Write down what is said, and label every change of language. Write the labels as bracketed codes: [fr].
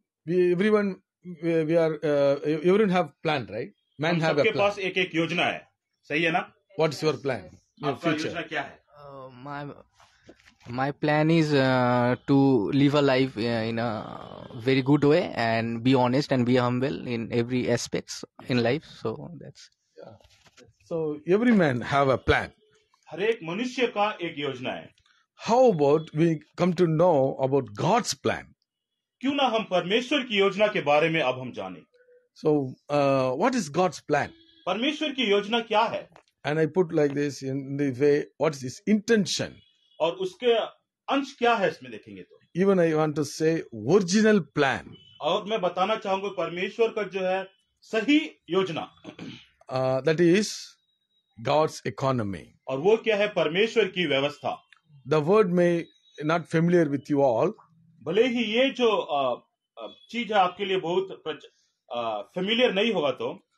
[en] Everyone have plan, right? Man have a plan. [hi] सबके पास एक-एक योजना है, सही है ना? [en] What is your plan? Your future. [hi] आपका योजना क्या है? [en] My plan is to live a life in a very good way and be honest and be humble in every aspects in life. So that's. So every man have a plan. [hi] हर एक मनुष्य का एक योजना है. [en] How about we come to know about God's plan? [hi] क्यों ना हम परमेश्वर की योजना के बारे में अब हम जानें? [en] So what is God's plan? [hi] परमेश्वर की योजना क्या है? [en] And I put like this in the way. What is his intention? [hi] और उसके अंश क्या है इसमें देखेंगे तो. [en] Even I want to say original plan. [hi] और मैं बताना चाहूंगा परमेश्वर का जो है सही योजना. [en] That is God's economy. [hi] और वो क्या है? परमेश्वर की व्यवस्था. [en] The word may not familiar with you all. [hi] भले ही ये जो चीज है आपके लिए बहुत फेमिलियर नहीं होगा तो.